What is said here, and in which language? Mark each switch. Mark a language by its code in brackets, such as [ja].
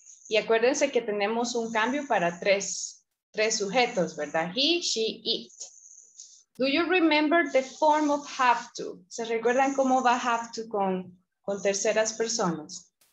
[es] Y acuérdense que tenemos un cambio para tres sujetos, ¿verdad? [en] He, she, it. Do you remember the form of have to? [es] ¿Se recuerdan cómo va have to con terceras personas?